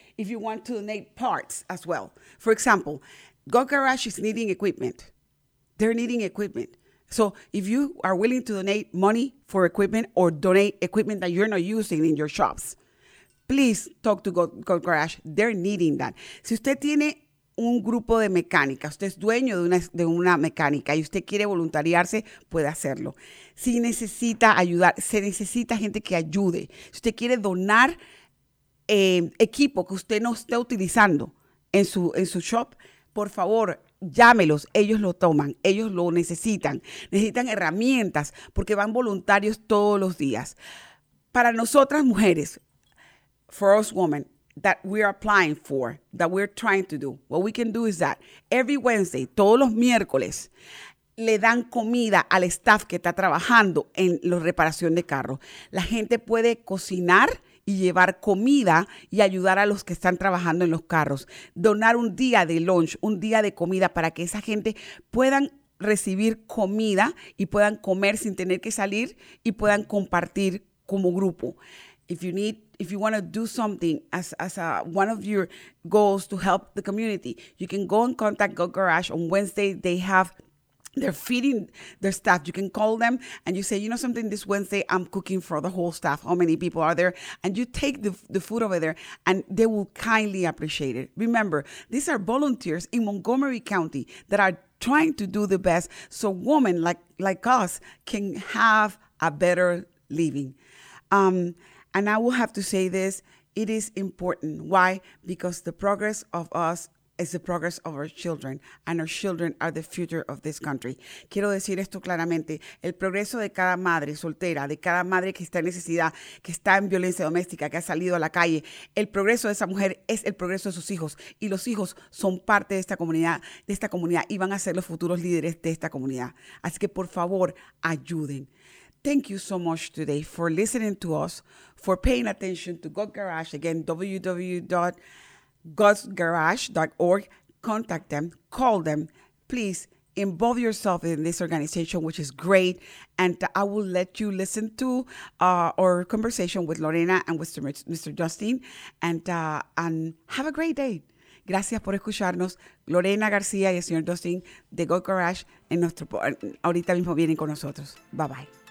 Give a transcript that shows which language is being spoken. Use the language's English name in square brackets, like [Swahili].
[English] If you want to donate parts as well. For example, Go Garage is needing equipment. They're needing equipment. So if you are willing to donate money for equipment or donate equipment that you're not using in your shops, please talk to Go Garage. They're needing that. [Spanish] Si usted tiene un grupo de mecánica, usted es dueño de una mecánica y usted quiere voluntariarse, puede hacerlo. Si necesita ayudar, se necesita gente que ayude. Si usted quiere donar equipo que usted no esté utilizando en su shop, por favor, llámelos. Ellos lo toman, ellos lo necesitan. Necesitan herramientas porque van voluntarios todos los días. Para nosotras mujeres, [English] for us women, that we're applying for, that we're trying to do. What we can do is that every Wednesday, [Spanish] todos los miércoles, le dan comida al staff que está trabajando en la reparación de carros. La gente puede cocinar y llevar comida y ayudar a los que están trabajando en los carros. Donar un día de lunch, un día de comida para que esa gente puedan recibir comida y puedan comer sin tener que salir y puedan compartir como grupo. [English] If you want to do something as one of your goals to help the community, you can go and contact Go Garage on Wednesday. They're feeding their staff. You can call them and you say, you know something, this Wednesday I'm cooking for the whole staff. How many people are there? And you take the food over there and they will kindly appreciate it. Remember, these are volunteers in Montgomery County that are trying to do the best so women like us can have a better living. And I will have to say this, it is important. Why? Because the progress of us is the progress of our children, and our children are the future of this country. [Spanish] Quiero decir esto claramente. El progreso de cada madre soltera, de cada madre que está en necesidad, que está en violencia doméstica, que ha salido a la calle, el progreso de esa mujer es el progreso de sus hijos. Y los hijos son parte de esta comunidad y van a ser los futuros líderes de esta comunidad. Así que, por favor, ayuden. [English] Thank you so much today for listening to us, for paying attention to God Garage. Again, www.godsgarage.org. Contact them, call them. Please involve yourself in this organization, which is great. And I will let you listen to our conversation with Lorena and with Mr. Justin. And have a great day. [Spanish] Gracias por escucharnos. Lorena García y el señor Justin de Go Garage. Ahorita mismo vienen con nosotros. [English] Bye bye.